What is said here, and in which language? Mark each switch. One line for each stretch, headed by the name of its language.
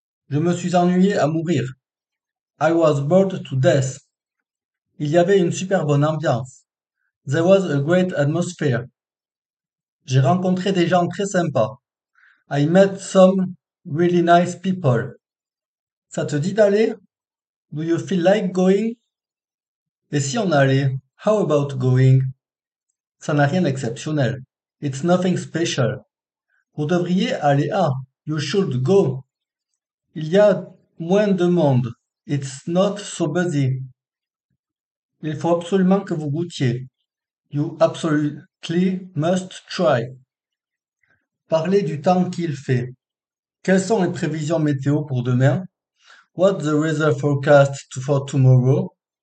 French: Je me suis ennuyé à mourir.
English: I was bored to death.
French: Il y avait une super bonne ambiance.
English: There was a great atmosphere.
French: J'ai rencontré des gens très sympas.
English: I met some really nice people.
French: Ça te dit d'aller?
English: Do you feel like going?
French: Et si on allait?
English: How about going?
French: Ça n'a rien d'exceptionnel.
English: It's nothing special.
French: Vous devriez aller à.
English: You should go.
French: Il y a moins de monde.
English: It's not so busy.
French: Il faut absolument que vous goûtiez.
English: You absolutely must try.
French: Parlez du temps qu'il fait. Quelles sont les prévisions météo pour demain?
English: What's the weather forecast for tomorrow?